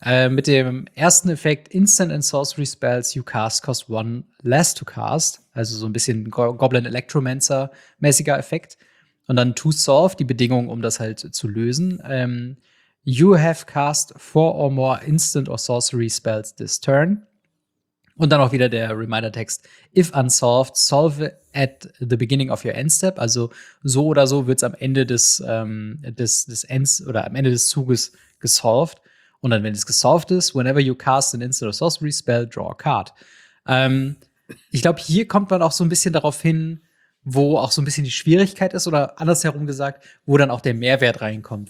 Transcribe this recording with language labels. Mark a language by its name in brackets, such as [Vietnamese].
[German] Mit dem ersten Effekt, [English] Instant and Sorcery Spells you cast cost one less to cast. [German] Also so ein bisschen Goblin Electromancer-mäßiger Effekt. Und dann to solve, die Bedingung, um das halt zu lösen. [English] You have cast 4 or more instant or sorcery spells this turn. [German] Und dann auch wieder der Reminder-Text. [English] If unsolved, solve at the beginning of your end step. [German] Also so oder so wird es am Ende des Ends oder am Ende des Zuges gesolved. Und dann, wenn es gesolved ist, [English] whenever you cast an instant or sorcery spell, draw a card. [German] Ich glaube, hier kommt man auch so ein bisschen darauf hin, wo auch so ein bisschen die Schwierigkeit ist, oder andersherum gesagt, wo dann auch der Mehrwert reinkommt.